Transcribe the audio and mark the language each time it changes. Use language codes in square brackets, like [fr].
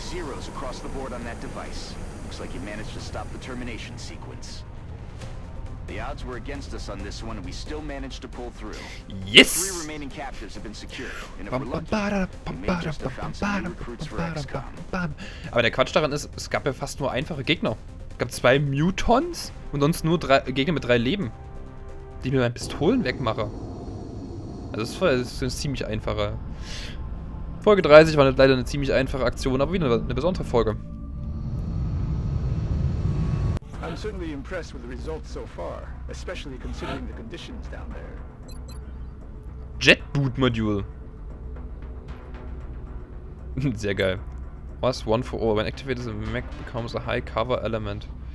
[en] Zeros across the board on that device. Looks like you managed to stop the termination sequence. The odds were against us on this one, and we still managed to pull through. Yes. Three remaining captives have been secured. And if we're lucky, we may just have found some new recruits for XCOM. [de] Aber der Quatsch daran ist, es gab ja fast nur einfache Gegner. Es gab 2 Mutons und sonst nur 3 Gegner mit 3 Leben, die mir meine Pistolen wegmache. Also es ist ein ziemlich einfacher. Folge 30 war leider eine ziemlich einfache Aktion, aber wieder eine besondere Folge. [en] I'm certainly impressed with the results so far, especially considering the conditions down there. Jet Boot Module. [de] Sehr geil. [en] Was one for all. When activated, the mech becomes a high cover element.